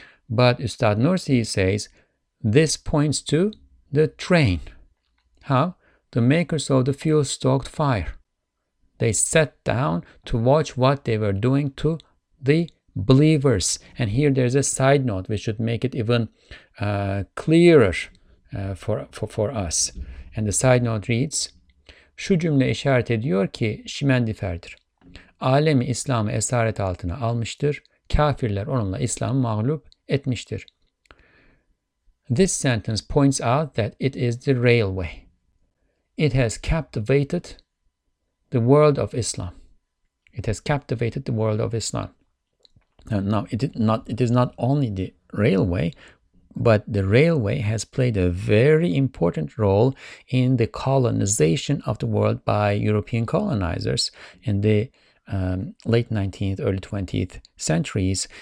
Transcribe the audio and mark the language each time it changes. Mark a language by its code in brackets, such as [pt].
[en] But Ustad Nursi says, this points to the train. How? The makers of the fuel-stoked fire. They sat down to watch what they were doing to the believers. And here there's a side note, we should make it even clearer for us. And the side note reads, [tr] şu cümle işaret ediyor ki şimendiferdir. Alemi İslam'ı esaret altına almıştır. Kafirler onunla İslam'ı mağlup etmiştir. [en] This sentence points out that it is the railway. It has captivated the world of Islam. It has captivated the world of Islam. Now, it is not only the railway, but the railway has played a very important role in the colonization of the world by European colonizers in the late 19th, early 20th centuries.